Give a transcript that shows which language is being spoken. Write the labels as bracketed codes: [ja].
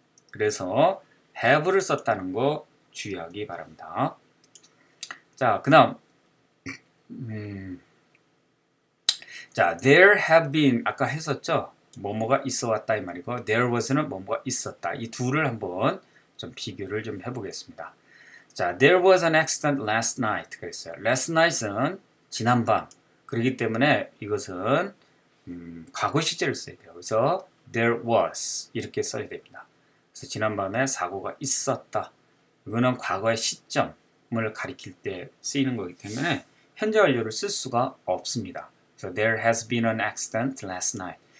[ko] 그래서 have를 썼다는 거 주의하기 바랍니다. 자, 그 다음 자, [en] there have been [ko] 아까 했었죠? 뭐뭐가 있어 왔다 이 말이고 [en] there was [ko] 는 뭐뭐가 있었다. 이 둘을 한번 좀 비교를 좀 해보겠습니다. [en] 자, there was an accident last night [ko] 그랬어요. [en] last night [ko] 은 지난밤 그렇기 때문에 이것은 과거 시제를 써야 돼요. 그래서 [en] there was [ko] 이렇게 써야 됩니다. 그래서 지난밤에 사고가 있었다. 이거는 과거의 시점을 가리킬 때 쓰이는 거기 때문에 현재 완료를 쓸 수가 없습니다. [en] So there has been an accident last night.